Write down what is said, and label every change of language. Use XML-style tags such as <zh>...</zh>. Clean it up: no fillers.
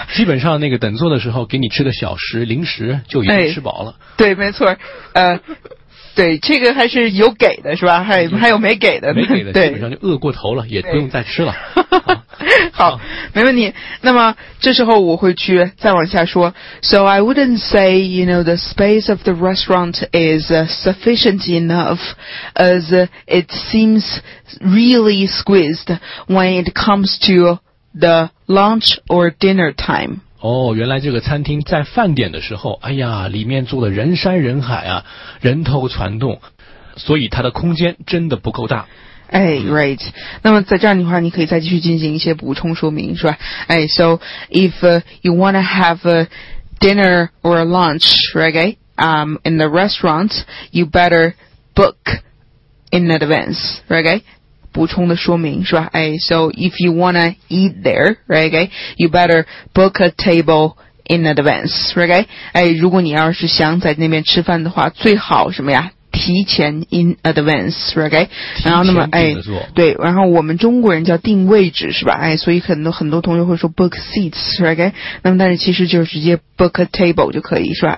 <zh>基本上那个等坐的时候，给你吃个小时零食就已经吃饱了。哎、对，没错。对，这个还是有给的，是吧？还有没给的？没给的，基本上就饿过头了，也不用再吃了。好，没问题。那么这时候我会去再往下说。</zh> <en>So I wouldn't say, you know, the space of the restaurant is sufficient enough as it seems really squeezed when it comes to the lunch or dinner time.</en> <zh>哦，原来这个餐厅在饭点的时候，哎呀，里面坐的人山人海啊，人头攒动，所以它的空间真的不够大。哎 ，right。那么在这儿的话，你可以再继续进行一些补充说明，是吧？</zh> <en>哎 ，so if you want to have a dinner or a lunch, right? In the restaurant, you better book in advance, right?</en> <zh>补充的说明是吧？</zh> <en>哎 ，so if you want to eat there, right? You better book a table in advance, right?</en> <zh>哎，如果你要是想在那边吃饭的话，最好什么呀？</zh> <en>提前 in advance, right?</en> <zh>然后那么哎，对，然后我们中国人叫定位置是吧？哎，所以很多同学会说</zh> <en>book seats, right?</en> <zh>那么但是其实就是直接</zh> <en>book a table</en> <zh>就可以是吧？</zh>